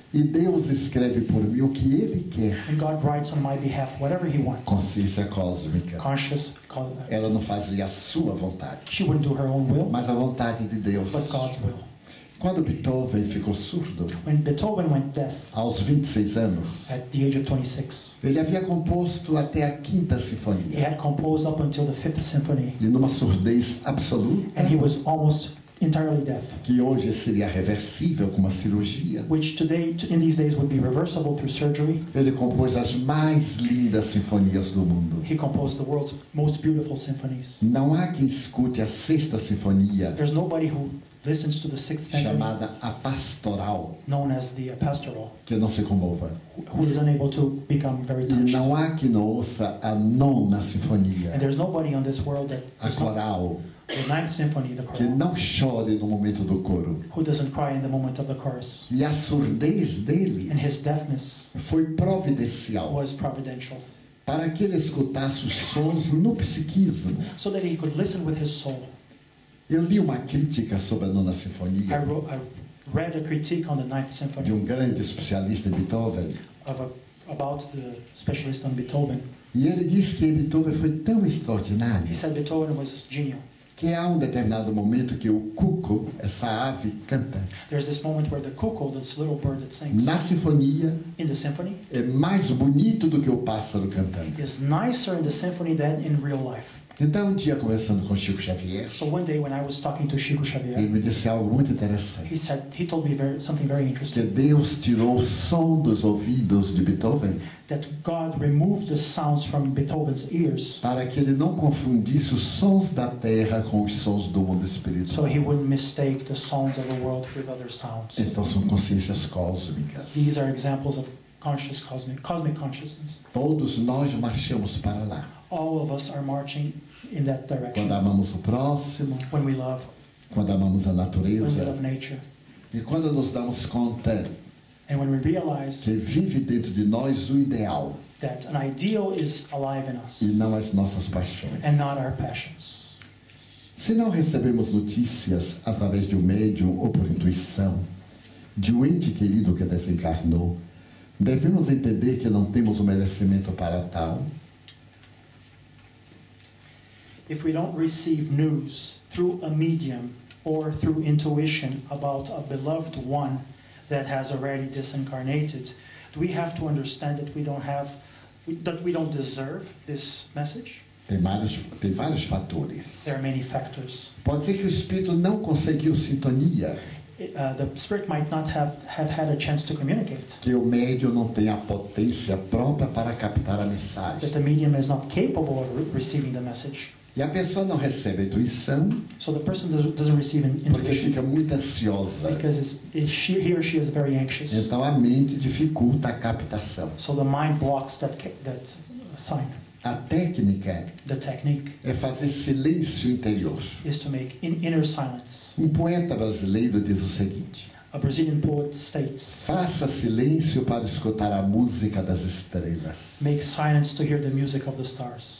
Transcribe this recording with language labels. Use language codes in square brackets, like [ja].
[pt] E Deus escreve por mim o que Ele quer. [en] And God writes on my behalf whatever He wants. [pt] Consciência cósmica. [en] Conscious. [pt] Ela não fazia a sua vontade. [en] She wouldn't do her own will. [pt] Mas a vontade de Deus. [en] But God's will. [pt] Quando Beethoven ficou surdo, [en] when Beethoven went deaf, [pt] aos 26 anos, [en] at the age of 26, [pt] ele havia composto até a quinta sinfonia. [en] He had composed up until the fifth symphony. [pt] E numa surdez absoluta, [en] and he was almost entirely deaf, [pt] que hoje seria reversível com uma cirurgia, [en] which today, in these days, would be reversible through surgery. [pt] Ele compôs as mais lindas sinfonias do mundo. [en] He composed the world's most beautiful symphonies. [pt] Não há quem escute a sexta sinfonia. [en] There's nobody who listens to the sixth symphony, [pt] chamada a pastoral, [en] known as the pastoral, [pt] que não se comova, [en] who is unable to become very touched. [pt] E não há que não ouça a nona sinfonia, [en] and there's nobody on this world that [pt] a coral, [en] the ninth symphony, the coral, [pt] que não chore no momento do coro, [en] who doesn't cry in the moment of the chorus. [pt] E a surdez dele, [en] and his deafness, [pt] foi providencial, [en] was providential, [pt] para que ele escutasse os sons no psiquismo, [en] so that he could listen with his soul. [pt] Eu li uma crítica sobre a nona sinfonia. [en] I read a critique on the ninth symphony. [pt] De um grande especialista em Beethoven. [en] About the specialist on Beethoven. [pt] E ele disse que Beethoven foi tão extraordinário. [en] He said Beethoven was genial. [pt] Que há um determinado momento que o cuco, essa ave, canta. [en] There's this moment where the cuckoo, this little bird that sings. [pt] Na sinfonia. [en] In the symphony. [pt] É mais bonito do que o pássaro cantando. [en] It's nicer in the symphony than in real life. [pt] Então, um dia, conversando com Chico Xavier, [en] so one day when I was talking to Chico Xavier, [pt] ele me disse algo muito interessante. [en] He told me something very interesting. [pt] Que Deus tirou o som dos ouvidos de Beethoven. [en] That God removed the sounds from Beethoven's ears. [pt] Para que ele não confundisse os sons da terra com os sons do mundo espiritual. [en] So he wouldn't mistake the sounds of the world with other sounds. [pt] Então, são consciências cósmicas. [en] These are examples of conscious cosmic consciousness. [pt] Todos nós marchamos para lá. [en] All of us are marching in that direction. [pt] Quando amamos o próximo, [en] when we love, [pt] quando amamos a natureza, [en] when we love nature, [pt] e quando nos damos conta, [en] and when we realize, [pt] que vive dentro de nós o ideal, [en] that an ideal is alive in us, [pt] e não as nossas paixões, [en] and not our passions. [pt] Se não recebemos notícias através de um médium ou por intuição de um ente querido que desencarnou, devemos entender que não temos o merecimento para tal. [en] If we don't receive news through a medium or through intuition about a beloved one that has already disincarnated, do we have to understand that we don't deserve this message? [pt] Tem vários fatores. [en] There are many factors. [pt] Pode ser que o espírito não conseguiu sintonia. [en] The spirit might not have had a chance to communicate. [pt] Que o médium não tem a potência própria para captar a mensagem. [en] That the medium is not capable of receiving the message. [pt] E a pessoa não recebe a intuição, [en] so the person doesn't receive an intuition, [pt] porque fica muito ansiosa. [en] Because he or she is very anxious. [pt] Então a mente dificulta a captação. [en] So the mind blocks that sign. [pt] A técnica, [en] the technique, [pt] é fazer silêncio interior. [en] Is to make inner silence. [pt] Um poeta brasileiro diz o seguinte. [en] A Brazilian poet states, [pt] faça silêncio para escutar a música das estrelas. [en] Make silence to hear the music of the stars.